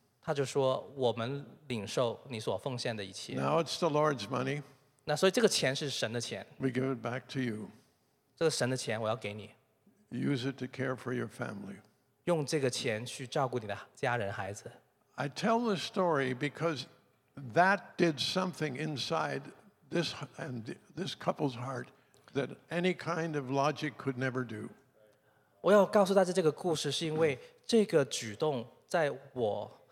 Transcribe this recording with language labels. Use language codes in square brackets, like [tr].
[zh] 他就说：“我们领受你所奉献的一切。” [en] Now it's the Lord's money. [zh] 那所以这个钱是神的钱。 [en] We give it back to you. [zh] 这个神的钱我要给你。 [en] Use it to care for your family. [zh] 用这个钱去照顾你的家人孩子。 [en] I tell the story because that did something inside this and this couple's heart that any kind of logic could never do. [zh] 我要告诉大家这个故事，是因为这个举动在我。